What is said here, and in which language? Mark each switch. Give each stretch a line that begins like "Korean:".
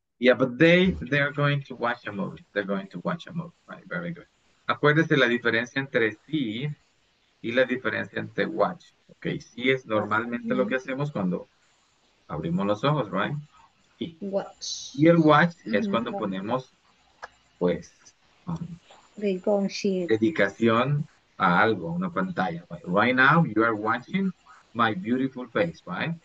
English: Yeah, but they're going to watch a movie. They're going to watch a movie. Right, very good.
Spanish: Acuérdese la diferencia entre sí y la diferencia entre watch. Okay, sí es normalmente lo que hacemos cuando abrimos los ojos, right? Sí.
English: Watch.
Spanish: Y el watch es cuando ponemos, pues, dedicación a algo, una pantalla.
English: Right now, you are watching my beautiful face, right?